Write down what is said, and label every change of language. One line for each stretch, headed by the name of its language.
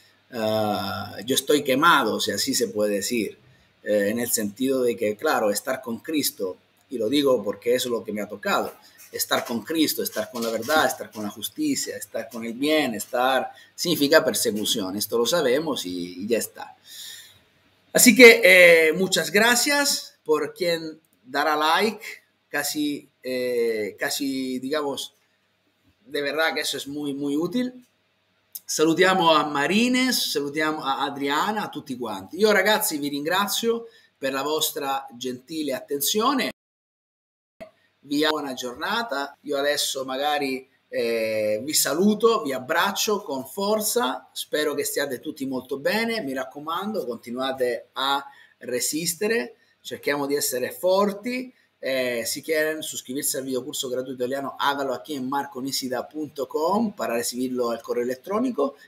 Spanish: Yo estoy quemado, si así se puede decir, en el sentido de que, claro, estar con Cristo, y lo digo porque eso es lo que me ha tocado, estar con Cristo, estar con la verdad, estar con la justicia, estar con el bien, estar, significa persecución, esto lo sabemos y ya está. Así que muchas gracias por quien dará like, casi, casi, digamos, de verdad que eso es muy, muy útil.
Italian: Salutiamo a Marines, salutiamo a Adriana, a tutti quanti. Io ragazzi vi ringrazio per la vostra gentile attenzione. Vi auguro una buona giornata. Io adesso magari vi saluto, vi abbraccio con forza. Spero che stiate tutti molto bene. Mi raccomando, continuate a resistere. Cerchiamo di essere forti.
Spanish: Se quieren suscribirse al video curso gratuito italiano, hágalo aquí en marconisida.com para recibirlo al correo electrónico.